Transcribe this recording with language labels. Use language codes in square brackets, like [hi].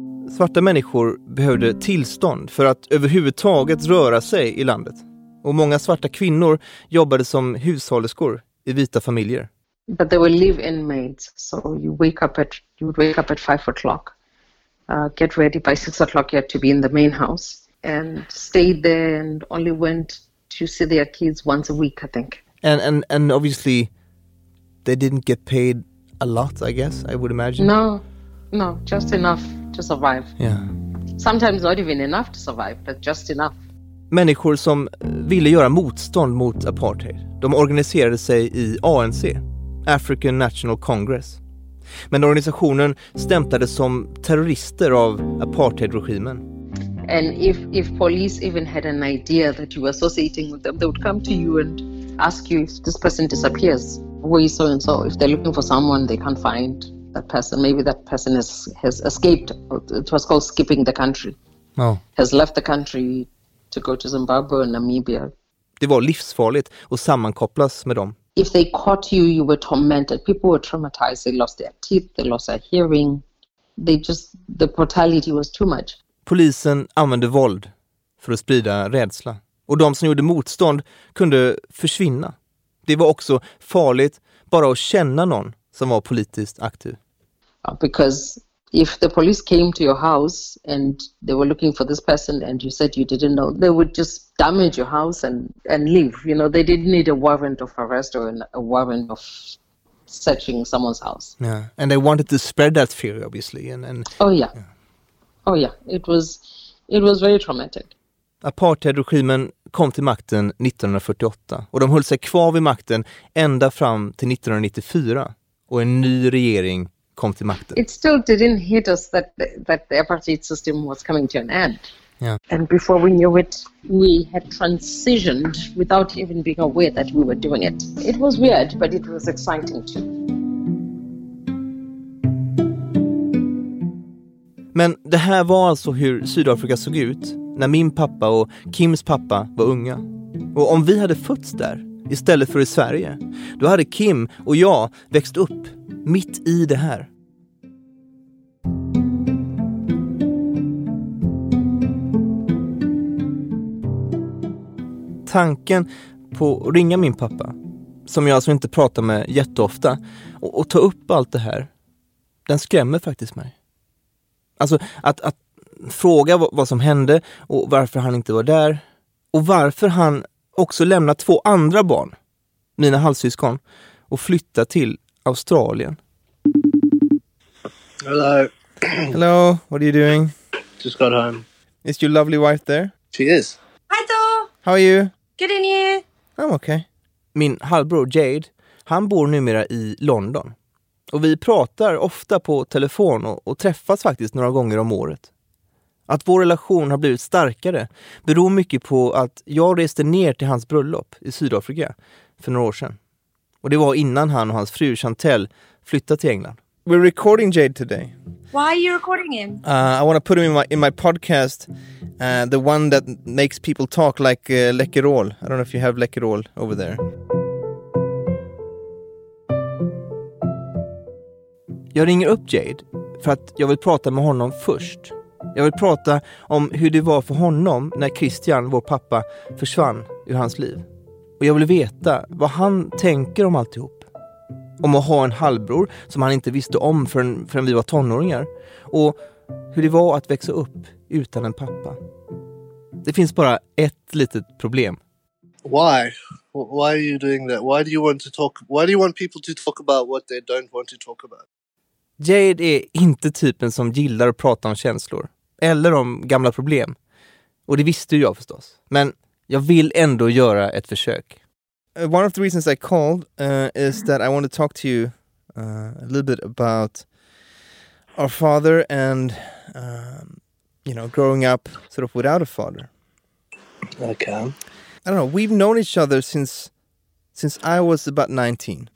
[sv] Svarta människor behövde tillstånd för att överhuvudtaget röra sig i landet. Och många svarta kvinnor jobbade som hushållerskor i vita familjer. [en] But they were live-in maids, so you would wake up at 5 o'clock, get ready by 6 o'clock you had to be in the main house and stayed there and only went to see their kids once a week, I think. And obviously they didn't get paid a lot, I guess, I would imagine. No, just enough. To survive. Yeah. Sometimes not even enough to survive, but just enough. [sv] Människor som ville göra motstånd mot apartheid, de organiserade sig i ANC, African National Congress. Men organisationen stämplades som terrorister av apartheidregimen. [en] And if police even had an idea that you were associating with them, they would come to you and ask you if this person disappears, who is so and so. If they're looking for someone they can't find. That person, maybe that person has escaped. It was called skipping the country. Oh. Has left the country to go to Zimbabwe and Namibia. [sv] Det var livsfarligt att sammankopplas med dem. [en] If they caught you, you were tormented. People were traumatized. They lost their teeth. They lost their hearing. The brutality was too much. [sv] Polisen använde våld för att sprida rädsla. Och de som gjorde motstånd kunde försvinna. Det var också farligt bara att känna någon. Som var politiskt aktiv. [en] Because if the police came to your house and they were looking for this person and you said you didn't know, they would just damage your house and leave. You know, they didn't need a warrant of arrest or a warrant of searching someone's house. Yeah, and they wanted to spread that fear, obviously. And oh yeah. Yeah, oh yeah, it was very traumatic. [sv] Apartheidregimen kom till makten 1948 och de höll sig kvar vid makten ända fram till 1994. Och en ny regering kom till makten. [en] It still didn't hit us that the apartheid system was coming to an end. Yeah. And before we knew it, we had transitioned without even being aware that we were doing it. It was weird, but it was exciting too. [sv] Men det här var alltså hur Sydafrika såg ut när min pappa och Kims pappa var unga. Och om vi hade fötts där, istället för i Sverige. Då hade Kim och jag växt upp mitt i det här. Tanken på att ringa min pappa, som jag alltså inte pratar med jätteofta, och ta upp allt det här, den skrämmer faktiskt mig. Alltså att fråga vad som hände och varför han inte var där. Och varför han också lämnat två andra barn, mina halvsyskon, och flyttat till Australien. [en] Hello. Hello, what are you doing? Just got home. Is your lovely wife there? She is. [sv] Hi då. [en] How are you? Good in you. I'm okay. [sv] Min halvbror Jade, han bor numera i London. Och vi pratar ofta på telefon och träffas faktiskt några gånger om året. Att vår relation har blivit starkare beror mycket på att jag reste ner till hans bröllop i Sydafrika för några år sedan. Och det var innan han och hans fru Chantel flyttade till England. [en] We're recording Jade today. Why are you recording him? I want to put him in my podcast, the one that makes people talk like Läkerol. I don't know if you have Läkerol over there. [sv] Jag ringer upp Jade för att jag vill prata med honom först. Jag vill prata om hur det var för honom när Christian, vår pappa, försvann ur hans liv. Och jag vill veta vad han tänker om alltihop. Om att ha en halvbror som han inte visste om förrän vi var tonåringar. Och hur det var att växa upp utan en pappa. Det finns bara ett litet problem. [en] Why? Why are you doing that? Why do you want to talk? Why do you want people to talk about what they don't want to talk about? [sv] Jade är inte typen som gillar att prata om känslor eller om gamla problem. Och det visste jag förstås. Men jag vill ändå göra ett försök. [en] One of the reasons I called is that I want to talk to you a little bit about our father and you know, growing up sort of without a father. Okay. I don't know. We've known each other since I was about 19.